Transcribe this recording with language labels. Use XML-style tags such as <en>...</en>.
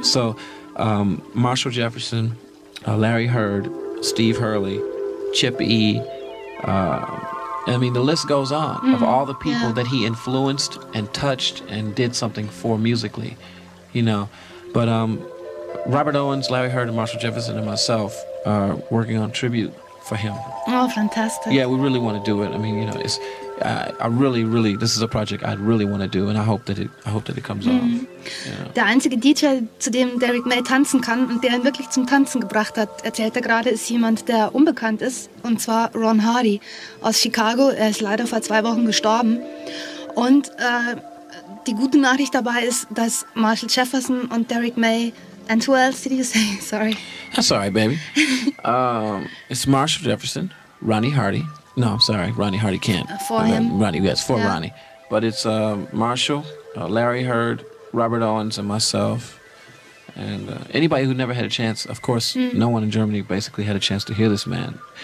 <en>So Marshall Jefferson, Larry Heard, Steve Hurley, Chip E., the list goes on of all the people that he influenced and touched and did something for musically, you know. But, Robert Owens, Larry Heard, and Marshall Jefferson and myself are working on tribute for him. Oh, fantastic. Yeah, we really want to do it. I mean, you know, it's I really, really, this is a project I really want to do, and I hope that it comes off.</en> <de>Der einzige DJ, zu dem Derek May tanzen kann und der ihn wirklich zum Tanzen gebracht hat, erzählt er gerade, ist jemand, der unbekannt ist, und zwar Ron Hardy aus Chicago. Er ist leider vor 2 Wochen gestorben. Und die gute Nachricht dabei ist, dass Marshall Jefferson und Derek May.</de> <en>And who else did you say? Sorry. That's all right, baby. it's Marshall Jefferson, Ronnie Hardy. No, I'm sorry. Ronnie Hardy can't. For him. Ronnie, yes, for Ronnie. But it's Marshall, Larry Heard, Robert Owens, and myself. And anybody who never had a chance, of course, no one in Germany basically had a chance to hear this man.</en>